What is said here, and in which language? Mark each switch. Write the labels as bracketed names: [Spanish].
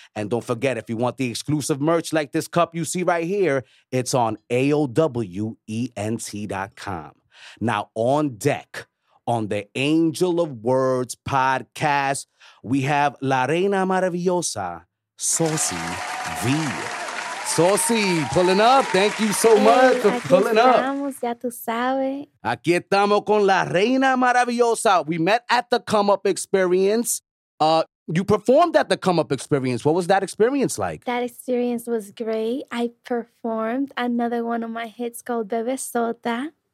[English] And don't forget, if you want the exclusive merch like this cup you see right here, it's on AOWENT.com. Now, on deck, on the Angel of Words podcast, we have La Reina Maravillosa, Saucy V. Saucy, pulling up. Thank you so much for pulling up. [Spanish] Aquí estamos, ya tú sabes. Aquí estamos con La Reina Maravillosa. [English] We met at the Come Up Experience. You performed at the Come Up Experience. What was that experience like? That experience was great. I performed another one of my hits called Bebe Sota.